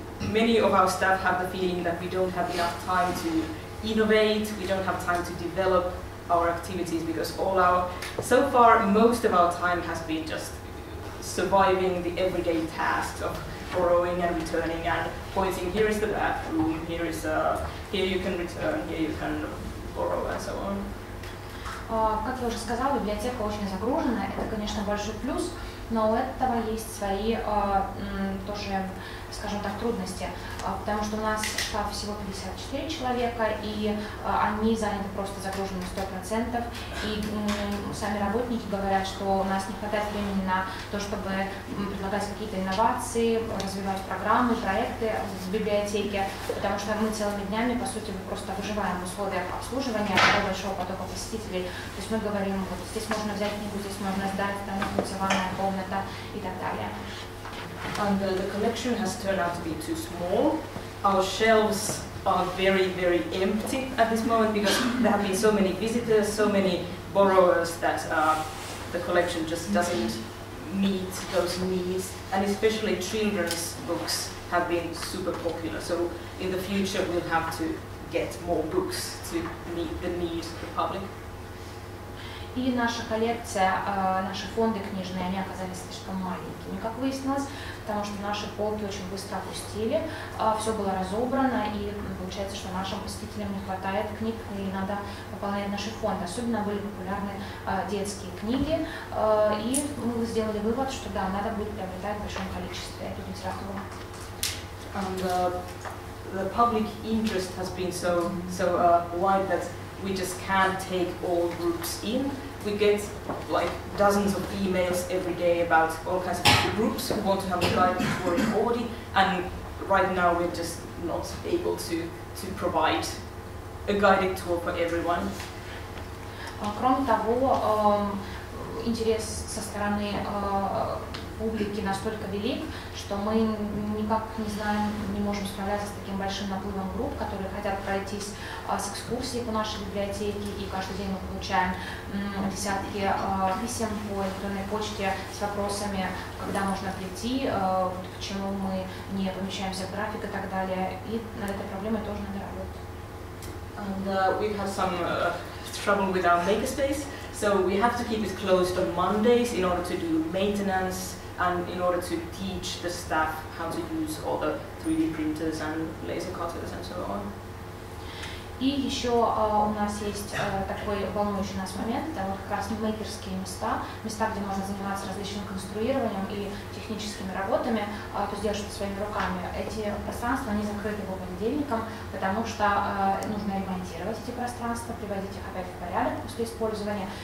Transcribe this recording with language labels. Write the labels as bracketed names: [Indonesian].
[English] many of our staff have the feeling that we don't have enough time to innovate, we don't have time to develop our activities, because all our, so far, most of our time has been just surviving the everyday tasks of borrowing and returning and pointing, here is the bathroom, here is a here you can return, here you can borrow, and so on. [Russian] Как я уже сказала, библиотека очень загружена. Это, конечно, большой плюс, но у этого есть свои тоже, скажем так, трудности, потому что у нас штат всего 54 человека, и они заняты просто загруженными 100%. И сами работники говорят, что у нас не хватает времени на то, чтобы предлагать какие-то инновации, развивать программы, проекты в библиотеке, потому что мы целыми днями, по сути, мы просто выживаем в условиях обслуживания такого большого потока посетителей. То есть мы говорим, вот здесь можно взять книгу, здесь можно сдать, там находится ванная комната и так далее. [English] And the collection has turned out to be too small. Our shelves are very, very empty at this moment because there have been so many visitors, so many borrowers that the collection just doesn't meet those needs. And especially children's books have been super popular. So in the future we'll have to get more books to meet the needs of the public. [Russian] И наша коллекция, наши фонды книжные, они оказались слишком маленькими, как выяснилось, потому что наши полки очень быстро опустили, все было разобрано, и получается, что нашим посетителям не хватает книг, и надо пополнять наши фонды. Особенно были популярны детские книги, и мы сделали вывод, что да, надо будет приобретать в большом количестве эту литературу. [English] And the public interest has been so wide that we just can't take all groups in. We get like dozens of emails every day about all kinds of groups who want to have a guide for an Oodi, and right now we're just not able to provide a guided tour for everyone. [Russian] Кроме того, интерес со стороны публики настолько велик, что мы никак не знаем, не можем справляться с таким большим наплывом групп, которые хотят пройтись с экскурсией по нашей библиотеке, и каждый день мы получаем десятки писем по электронной почте с вопросами, когда можно прийти, вот почему мы не помещаемся в график и так далее, и над этой проблемой тоже надо работать. [English] We have some trouble with our makerspace, so we have to keep it closed on Mondays in order to do maintenance, and in order to teach the staff how to use all the 3D printers and laser cutters and so on. [Russian] И еще у нас есть такой волнующий нас момент, это вот как раз мейкерские места, места, где можно заниматься различным конструированием и техническими работами, то есть держать своими руками. Эти пространства, они закрыты по понедельникам, потому что нужно ремонтировать эти пространства, приводить их опять в порядок после использования.